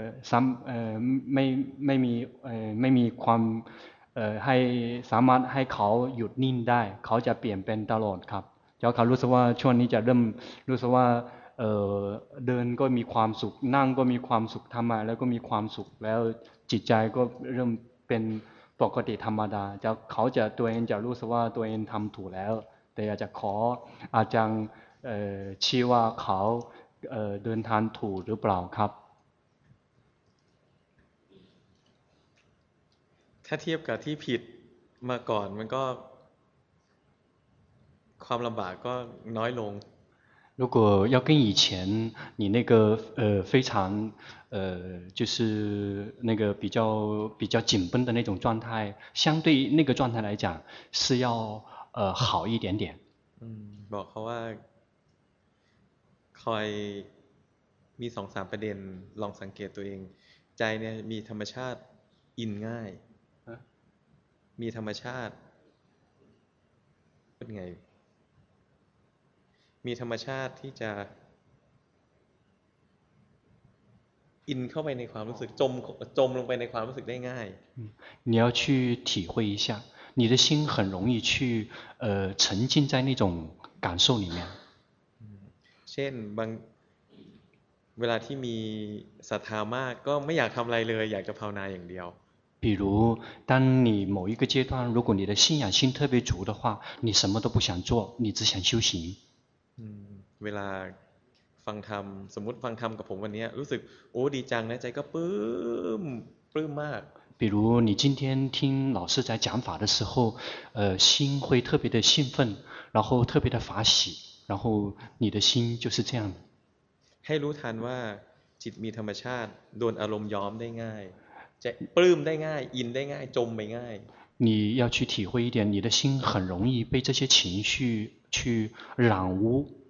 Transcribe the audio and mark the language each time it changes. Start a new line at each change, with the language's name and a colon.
Thai: ซ้ำไม่มีความให้สามารถให้เขาหยุดนิ่งได้เขาจะเปลี่ยนเป็นตลอดครับแล้วเขารู้สึกว่าช่วงนี้จะเริ่มรู้สึกว่าเดินก็มีความสุขนั่งก็มีความสุขทำมาแล้วก็มีความสุขแล้วจิตใจก็เริ่มเป็นปกติธรรมดาจะเขาจะตัวเองจะรู้สึกว่าตัวเองทำถูกแล้วแต่อยากจะขออาจารย์ชี้ว่าเขาเดินทางถูกหรือเปล่าครับ ถ้าเทียบกับที่ผิดมาก่อนมันก็ความลำบากก็น้อยลง
Chinese: 如果要跟以前你那个非常就是那个比较紧绷的那种状态，相对那个状态来讲是要好一点点。
Thai: บอกเขาว่าคอยมี2-3ประเด็นลองสังเกตตัวเองใจเนี่ยมีธรรมชาติอินง่ายมีธรรมชาติเป็นไงมีธรรมชาติที่จะอินเข้าไปในความรู้สึกจมลงไปในความรู้สึกได้ง่าย
Chinese: 你要去体会一下你的心很容易去沉浸在那种感受里面
Thai: เช่นบาง เวลาที่มีศรัทธามากก็ไม่อยากทำอะไรเลยอยากจะภาวนาอย่างเดียว
Chinese: 比如当你某一个阶段如果你的信仰心特别足的话你什么都不想做你只想修行
Thai: เวลาฟังธรรมสมมติฟังธรรมกับผมวันนี้รู้สึกโอ้ดีจังนะใจก็ปลื้มมาก
Chinese: 比如你今天听老师在讲法的时候心会特别的兴奋然后特别的法喜然后你的心就是这样
Thai: ให้รู้ทันว่าจิตมีธรรมชาติโดนอารมณ์ย้อมได้ง่ายจะปลื้มได้ง่ายอินได้ง่ายจมไปง่าย
Chinese: 你要去体会一点你的心很容易被这些情绪去染污